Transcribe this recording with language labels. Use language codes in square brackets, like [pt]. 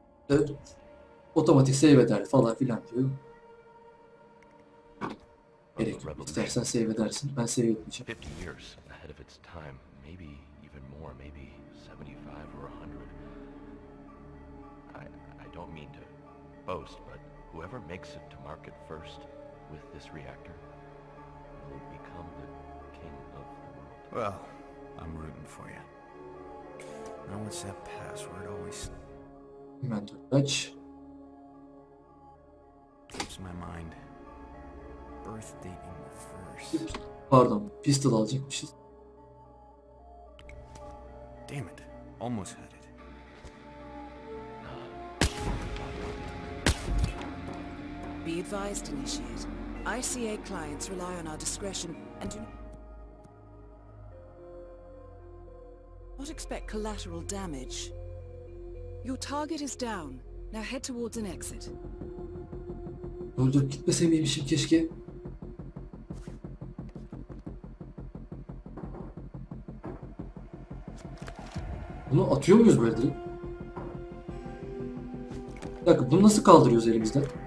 [tr] Evet, otomatik save eder falan filan diyor. Gerek yok, istersen save edersin, ben save etmeyeceğim. [en] 50 years ahead of its time, maybe even more, maybe 75 or 100. I don't mean to boast, but whoever makes it to market first with this reactor, become the king of the world. Well, I'm rooting for you. Now what's that password always? Mental touch. Keeps my mind. Birth date in reverse. Oops. [tr] Pardon, pistol alacakmışız. [en] Damn it, almost had it. Be advised, Initiate. ICA clients rely on our discretion and do not expect collateral damage. Your target is down. Now head towards an exit. [tr] Orada gitmeseymişim keşke. Bunu atıyor muyuz böyle direkt? Bir dakika, bunu nasıl kaldırıyoruz elimizden?